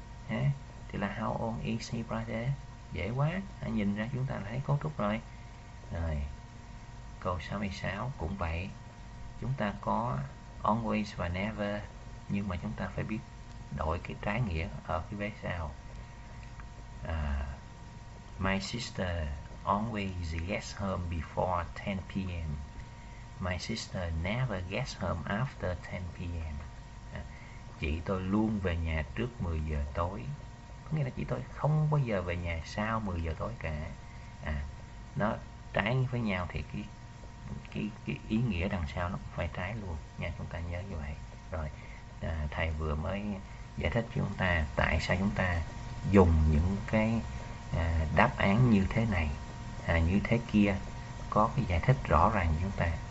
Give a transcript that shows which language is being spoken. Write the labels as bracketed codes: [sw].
[vi] À, thì là [en] how old is he brother, [vi] dễ quá. À, nhìn ra chúng ta thấy cấu trúc rồi. Rồi câu 66 cũng vậy, chúng ta có always và never, nhưng mà chúng ta phải biết đổi cái trái nghĩa ở phía vế sau. [en] À, my sister always gets home before 10 p.m. My sister never gets home after 10 p.m. [vi] À, chị tôi luôn về nhà trước 10 giờ tối, có nghĩa là chị tôi không bao giờ về nhà sau 10 giờ tối cả. À, nó trái với nhau thì cái ý nghĩa đằng sau nó cũng phải trái luôn nha, chúng ta nhớ như vậy. Rồi à, thầy vừa mới giải thích cho chúng ta tại sao chúng ta dùng những cái đáp án như thế này, như thế kia, có cái giải thích rõ ràng chúng ta.